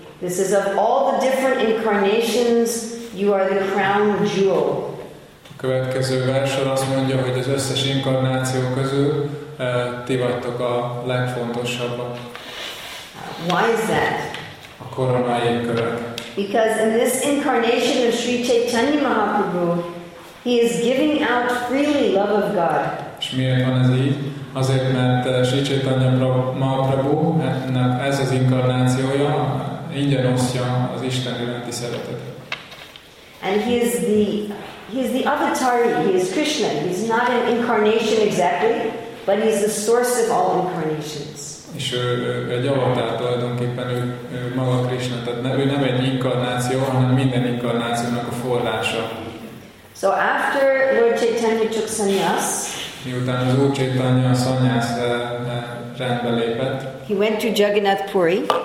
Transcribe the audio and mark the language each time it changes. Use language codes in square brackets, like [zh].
[en] This is of all the different incarnations, you are the crown jewel. [hu] A következő versor azt mondja, hogy az összes inkarnáció közül ti vagytok a legfontosabbak. [en] Why is that? [hu] A koronáim követ. [en] Because in this incarnation of Sri Chaitanya Mahaprabhu, he is giving out freely love of God. [hu] És miért van ez így? Azért, mert Sri Chaitanya Mahaprabhu, ez az inkarnációja, ingyen osztja az Isten iránti szeretetet. [en] And he is the avatar, he is Krishna. He's not an incarnation exactly, but he's the source of all incarnations. [hu] És ő egy avatar tulajdonképpen, ő maga Krishna, tehát ő nem egy inkarnáció, hanem minden inkarnációnak a forrása. [en] So after Lord Chaitanya took sannyas, [hu] miután az Úr Chaitanya a sannyas rendbe lépett, [en] he went to Jagannath Puri.